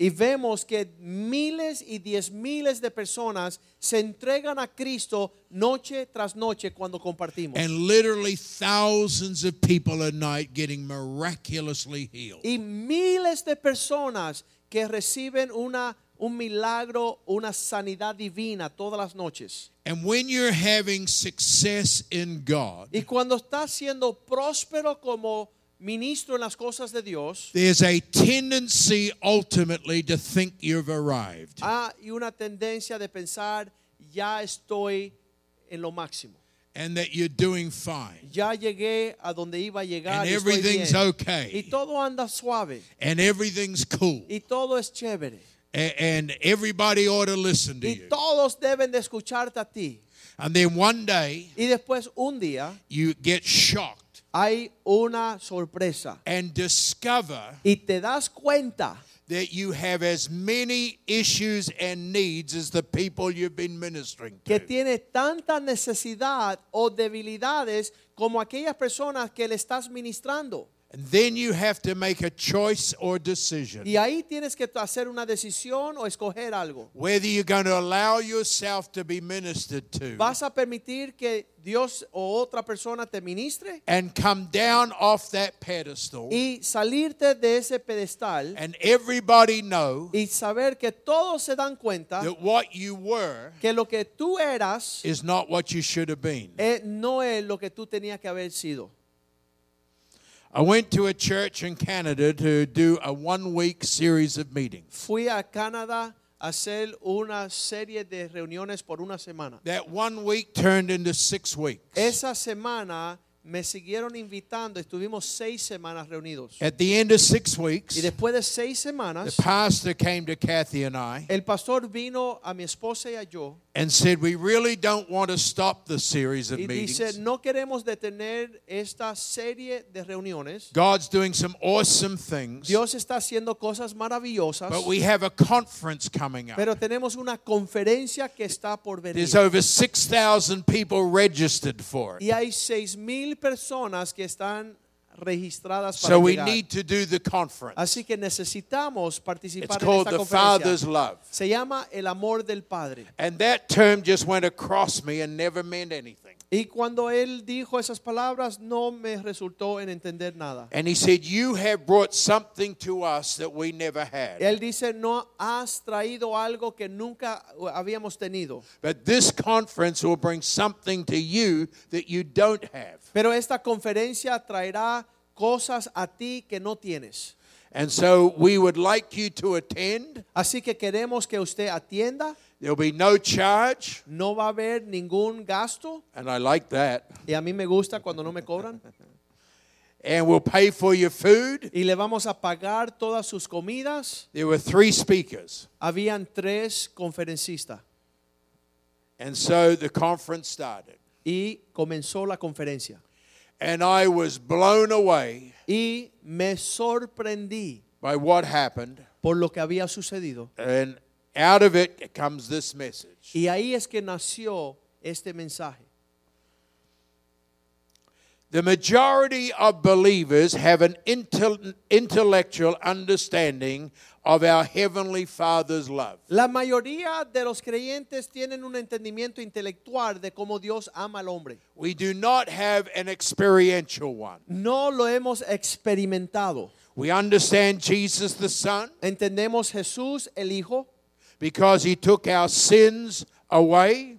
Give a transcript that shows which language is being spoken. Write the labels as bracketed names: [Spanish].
[Spanish] Y vemos que miles y diez miles de personas se entregan a Cristo noche tras noche cuando compartimos. [English] And literally thousands of people a night getting miraculously healed. [Spanish] Y miles de personas que reciben una un milagro, una sanidad divina todas las noches. [English] And when you're having success in God, [Spanish] y cuando estás siendo próspero como ministro en las cosas de Dios, [English] there's a tendency ultimately to think you've arrived. [Spanish] Hay una tendencia de pensar ya estoy en lo máximo. [English] And that you're doing fine. [Spanish] Ya llegué a donde iba a llegar. [English] And everything's okay. [Spanish] Y todo anda suave. [English] And everything's cool. [Spanish] Y todo es chévere. [English] And everybody ought to listen to [Spanish] y todos [English] you. [Spanish] Deben de escucharte a ti. [English] And then one day, [Spanish] y después un día, [English] you get shocked. [Spanish] Hay una sorpresa. [English] And discover [Spanish] y te das cuenta [English] that you have as many issues and needs as the people you've been ministering to. [Spanish] Que tiene tanta necesidad o debilidades como aquellas personas que le estás ministrando. [English] And then you have to make a choice or decision. [Spanish] Y ahí tienes que hacer una decisión o escoger algo. [English] Whether you're going to allow yourself to be ministered to. [Spanish] ¿Vas a permitir que Dios o otra persona te ministre? [English] And come down off that pedestal. [Spanish] Y salirte de ese pedestal. [English] And everybody know. [Spanish] Y saber que todos se dan cuenta. [English] That what you were. [Spanish] Que lo que tú eras. [English] Is not what you should have been. [Spanish] No es lo que tú tenías que haber sido. [English] I went to a church in Canada to do a one-week series of meetings. [Spanish] Fui a Canadá a hacer una serie de reuniones por una semana. [English] That 1 week turned into 6 weeks. [Spanish] Esa semana me siguieron invitando. Estuvimos 6 semanas reunidos. [English] At the end of 6 weeks, [Spanish] y después de 6 semanas, [English] the pastor came to Kathy and I. [Spanish] El pastor vino a mi esposa y a yo. [English] And said, "We really don't want to stop the series of meetings." [Spanish] Y dice, no queremos detener esta serie de reuniones. [English] God's doing some awesome things. [Spanish] Dios está haciendo cosas maravillosas. [English] But we have a conference coming up. [Spanish] Pero tenemos una conferencia que está por venir. [English] There's over 6,000 people registered for it. [Spanish] Y hay 6,000 personas que están registradas para [English] so we [Spanish] llegar. [English] Need to do the conference. [Spanish] Así que necesitamos participar [English] it's [Spanish] en [English] called [Spanish] esta [English] the [Spanish] conferencia. [English] Father's love. [Spanish] Se llama el amor del Padre. [English] And that term just went across me and never meant anything. [Spanish] Y cuando él dijo esas palabras, no me resultó en entender nada. [English] And he said, "You have brought something to us that we never had." [Spanish] Él dice, no has traído algo que nunca habíamos tenido. [English] But this conference will bring something to you that you don't have. [Spanish] Pero esta conferencia traerá cosas a ti que no tienes. [English] And so we would like you to attend. [Spanish] Así que queremos que usted atienda. [English] There'll be no charge. [Spanish] No va a haber ningún gasto. [English] And I like that. [Spanish] Y a mí me gusta cuando no me cobran. [English] And we'll pay for your food. [Spanish] Y le vamos a pagar todas sus comidas. [English] There were 3 speakers. [Spanish] Habían 3 conferencistas. [English] And so the conference started. [Spanish] Y comenzó la conferencia. [English] And I was blown away. [Spanish] Y me sorprendí. [English] By what happened. [Spanish] Por lo que había sucedido. [English] And out of it comes this message. [Spanish] Y ahí es que nació este mensaje. [English] The majority of believers have an intellectual understanding of our Heavenly Father's love. [Spanish] La mayoría de los creyentes tienen un entendimiento intelectual de cómo Dios ama al hombre. [English] We do not have an experiential one. [Spanish] No lo hemos experimentado. [English] We understand Jesus the Son. [Spanish] Entendemos Jesús el Hijo. [English] Because he took our sins away.